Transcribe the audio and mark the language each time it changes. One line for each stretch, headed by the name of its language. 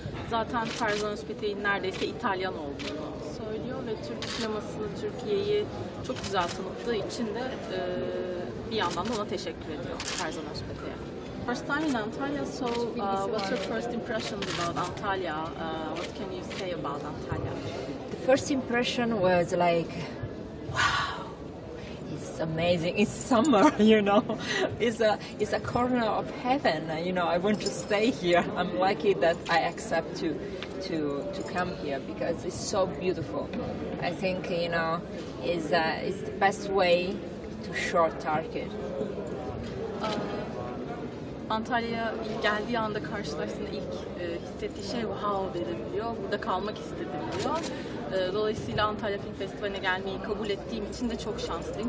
Turkish: Zaten Ferzan Özpetek'in neredeyse İtalyan olduğunu söylüyor ve Türk sinemasını, Türkiye'yi çok güzel tanıttığı için de bir yandan da ona teşekkür ediyor Ferzan Özpetek'e.
English: First time in Antalya, so what's your first impression about Antalya? What can you say about Antalya? The first impression was like, amazing. It's summer, you know. It's a corner of heaven, you know. I want to stay here. I'm lucky that I accept to come here because it's so beautiful. I think, you know, it's the best way to short target.
Turkish: Antalya'ya ilk geldiği anda karşılaştığında ilk hissettiği şey wow dedim diyor. Burada kalmak istedim diyor. Dolayısıyla Antalya Film Festivali'ne gelmeyi kabul ettiğim için de çok şanslıyım.